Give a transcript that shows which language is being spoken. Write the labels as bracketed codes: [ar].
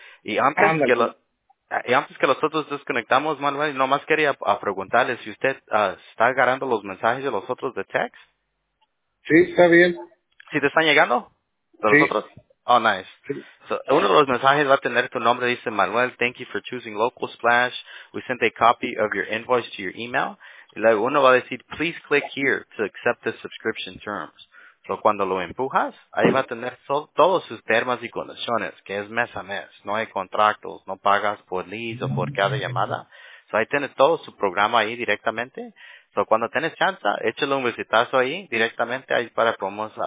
[es] Y antes que los otros desconectamos, Manuel, nomás quería preguntarle si usted está agarrando los mensajes de los otros de text. Sí, está bien. ¿Sí te están llegando? De sí. Nosotros. [en] Oh, nice. [es] Sí. So, uno de los mensajes va a tener tu nombre. Dice, [en] Manuel, thank you for choosing Local Splash. We sent a copy of your invoice to your email. [es] Y luego uno va a decir, [en] please click here to accept the subscription terms. [es] So, cuando lo empujas, ahí va a tener todos sus termos y condiciones, que es mes a mes. No hay contratos, no pagas por leads o por cada llamada. So, ahí tienes todo su programa ahí directamente. So, cuando tienes chance, échale un visitazo ahí directamente ahí para promoción.